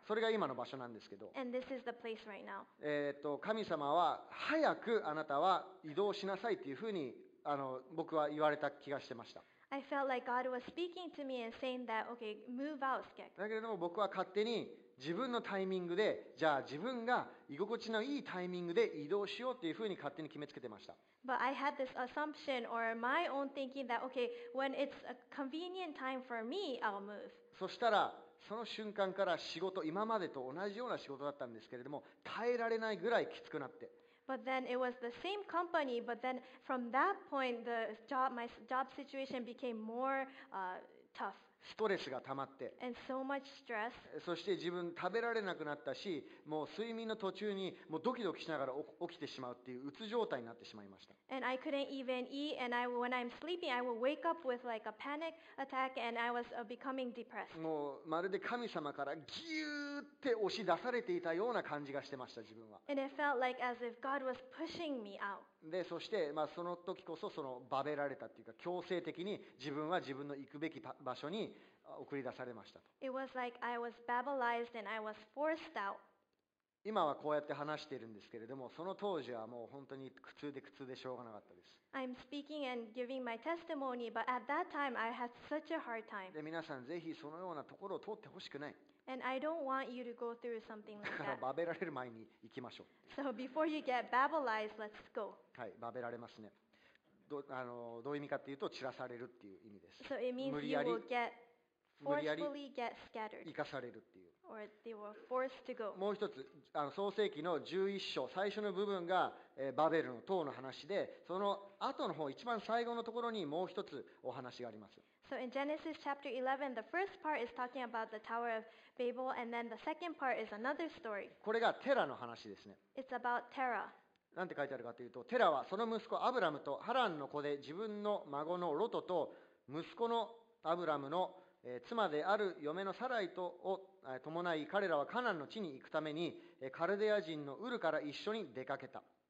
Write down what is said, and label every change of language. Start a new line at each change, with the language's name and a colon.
Japanese: それが今の場所なんですけど。
English: And this is the place right now.
Japanese: 神様は早くあなたは移動しなさいっていうふうに、あの僕は言われた気がしてました。
English: I felt like God was speaking to me and saying that, okay, move out, Skek.
Japanese: だけれども僕は勝手に自分のタイミングで、じゃあ自分が居心地のいいタイミングで移動しようっていうふうに勝手に決めつけてました。
English: But I had this assumption or my own thinking that, okay, when it's a convenient time for me, I'll move.
Japanese: そしたらその瞬間から仕事、今までと同じような仕事だったんですけれども、耐えられないぐらいきつくなって。
English: But then it was the same company. But then from that point, the job, my job situation became more tough.
Japanese: ストレスが溜まって、
English: and so much stress.
Japanese: そして自分食べられなくなったし、もう睡眠の途中にもうドキドキしながら起きてしまうっていううつ状態になってしまいました。
English: and I couldn't even eat, and I, when I'm sleeping I will wake up with like a panic attack and I was becoming depressed.
Japanese: もうまるで神様からギューって押し出されていたような感じがしてました、自分は。
English: and it felt like as if God was pushing me out.
Japanese: でそして、まあ、その時こそそのバベられたというか強制的に自分は自分の行くべき場所に送り出されましたと。
English: It was like I was babylized and I was forced out.
Japanese: 今はこうやって話しているんですけれども、その当時はもう本当に苦痛で苦痛でしょうがなかったです。
English: I'm speaking and giving my testimony, but at that time I had such a hard time.
Japanese: で皆さんぜひそのようなところを通ってほしくない。
English: And I don't want you to go through something like that.
Japanese: だからバベられる前に行きましょう。
English: So before you get babylized, let's go.
Japanese: はい、バベられますね。どういう意味かっていうと、散らされるっていう意味です。
English: So it means you will get forcefully get scattered.
Japanese: 生かされるっていう。
English: Or they were forced to go.
Japanese: もう一つ、創世記の11章、最初の部分が、バベルの塔の話で、その後の方、一番最後のところにもう一つお話があります。
English: So in Genesis chapter 11, the first part is talking about the Tower of Babel, and then the second part is another story.
Japanese: これがテラの話ですね。
English: It's about Terah.
Japanese: なんて書いてあるかというと、テラはその息子アブラムとハランの子で自分の孫のロトと息子のアブラムの妻である嫁のサライとを伴い、彼らはカナンの地に行くためにカルデア人のウルから一緒に出かけた。